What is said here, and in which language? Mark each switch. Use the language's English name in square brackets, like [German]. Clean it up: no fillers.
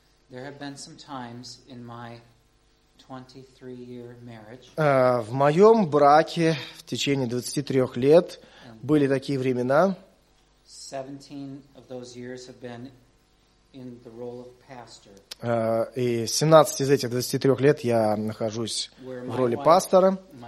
[English] There have been some times in my 23-year marriage. [Russian] В моем браке в течение 23 лет были такие времена. [English] 17 of those years have been in the role of pastor. [Russian] И 17 из этих 23 лет я нахожусь в роли пастора.